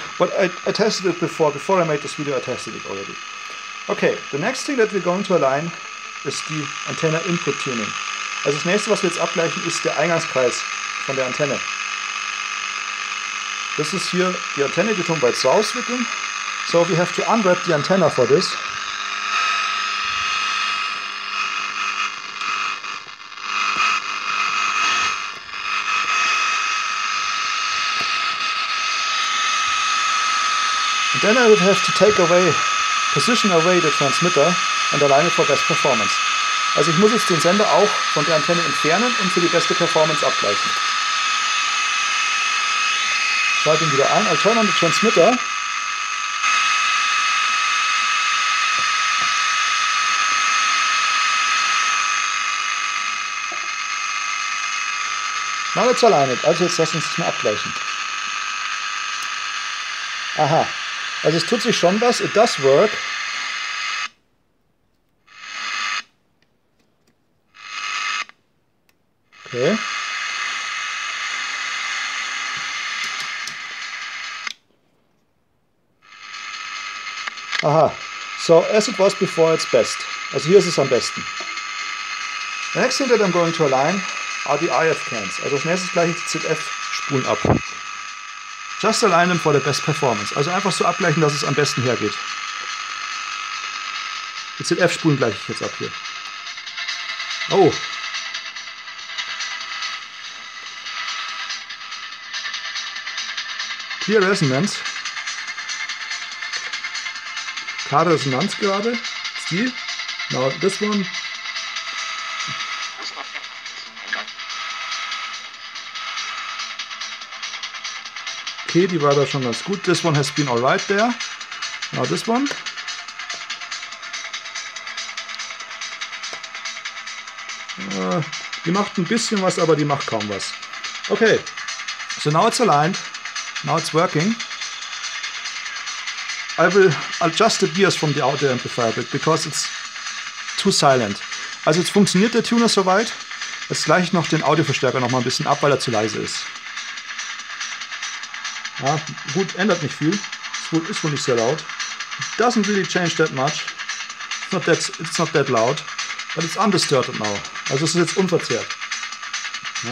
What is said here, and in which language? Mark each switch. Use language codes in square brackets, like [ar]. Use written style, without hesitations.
[en] But I tested it before I made this video, I tested it already. Okay, the next thing that we're going to align is the antenna input tuning. [de] Also das nächste, was wir jetzt abgleichen, ist der Eingangskreis von der Antenne. Das ist hier die Antenne, die tun wir jetzt rauswickeln. [en] So we have to unwrap the antenna for this. And then I would have to take away position away the transmitter and align it for best performance. [de] Also ich muss jetzt den Sender auch von der Antenne entfernen und für die beste Performance abgleichen. schalte ihn wieder ein. [en] I turn on the transmitter. Now it's aligned. [de] Also jetzt lassen Sie es mal abgleichen. Aha. Also es tut sich schon was. [en] It does work. Okay. Aha. So, as it was before, it's best. [de] Also hier ist es am besten. [en] The next thing that I'm going to align are the IF cans. [de] Also als nächstes gleiche ich die ZF-Spulen ab. [en] Just align them for the best performance. [de] Also einfach so abgleichen, dass es am besten hergeht. Die ZF-Spulen gleiche ich jetzt ab hier. Oh. [en] Clear Resonance. [de] Klare Resonanz gerade. [en] Steel. Now this one. Okay, [de] die war da schon ganz gut. [en] This one has been alright there. Now this one. [de] Die macht ein bisschen was, aber die macht kaum was. [en] Okay. So now it's aligned. Now it's working. I will adjust the bias from the audio amplifier a bit, because it's too silent. [de] Also jetzt funktioniert der Tuner soweit. Jetzt gleiche ich noch den Audioverstärker noch mal ein bisschen ab, weil er zu leise ist. Ja, gut, ändert nicht viel. Ist wohl nicht sehr laut. [en] It doesn't really change that much. It's not that loud. But it's undisturbed now. [de] Also es ist jetzt unverzerrt. [en] Ja.